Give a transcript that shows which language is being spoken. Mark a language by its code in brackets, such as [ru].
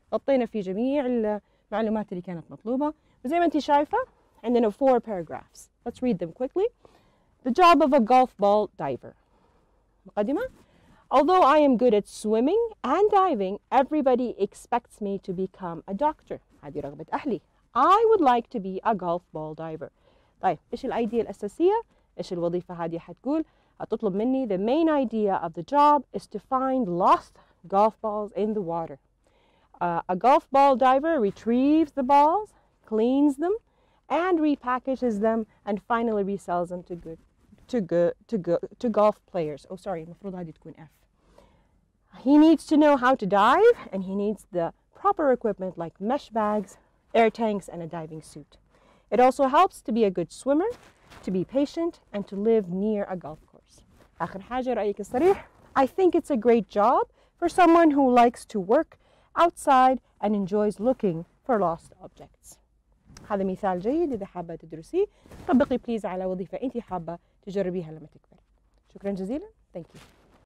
[ar] غطينا في جميع المعلومات اللي كانت مطلوبة. وزي ما أنت شايفة عندنا 4 paragraphs. [en] Let's read them quickly. The job of a golf ball diver. [ar] مقدمة. [en] Although I am good at swimming and diving, everybody expects me to become a doctor. [ar] هذه رغبة أهلي. [en] I would like to be a golf ball diver. [ar] طيب, إيش الأيديا الأساسية؟ إيش الوظيفة هذه حتقول؟ هتطلب مني, [en] the main idea of the job is to find lost golf balls in the water. A golf ball diver retrieves the balls, cleans them, and repackages them, and finally resells them to good. To golf players. Oh, sorry. [ar] المفروض هذه تكون F. [en] He needs to know how to dive, and he needs the proper equipment like mesh bags, air tanks, and a diving suit. It also helps to be a good swimmer, to be patient, and to live near a golf course. [ar] آخر حاجة رأيك الصريح. [en] I think it's a great job for someone who likes to work outside and enjoys looking for lost objects. [ar] هذا مثال جيد إذا حابة تدرسي. طبقي please على وظيفة أنت حابة تجربيها لما تكبر. شكرا جزيلا. [en] Thank you.